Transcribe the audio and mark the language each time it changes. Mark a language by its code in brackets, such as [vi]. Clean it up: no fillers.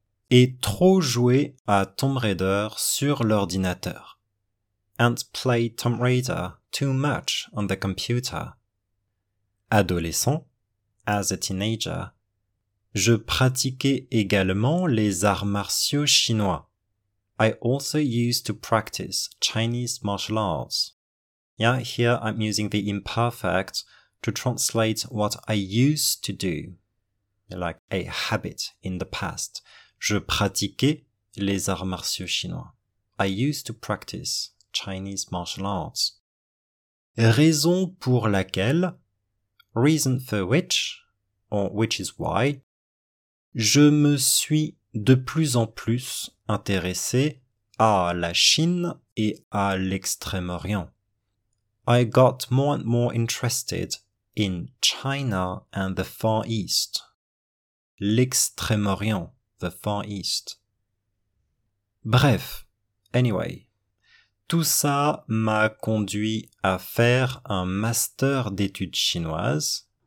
[fr] Et trop joué à Tomb Raider sur l'ordinateur. [en] And play Tomb Raider too much on the computer. [fr] Adolescent, [en] as a teenager, [fr] je pratiquais également les arts martiaux chinois. [en] I also used to practice Chinese martial arts. Yeah, here I'm using the imperfect to translate what I used to do, like a habit in the past. [fr] Je pratiquais les arts martiaux chinois. [en] I used to practice Chinese martial arts. [fr] Raison pour laquelle, [en] reason for which, or which is why, [fr] je me suis de plus en plus intéressé à la Chine et à l'Extrême-Orient. [en] I got more and more interested in China and the Far East. L'Extrême-Orient, the Far East. [fr] Bref, [en] anyway, [fr] tout ça m'a conduit à faire un master d'études chinoises.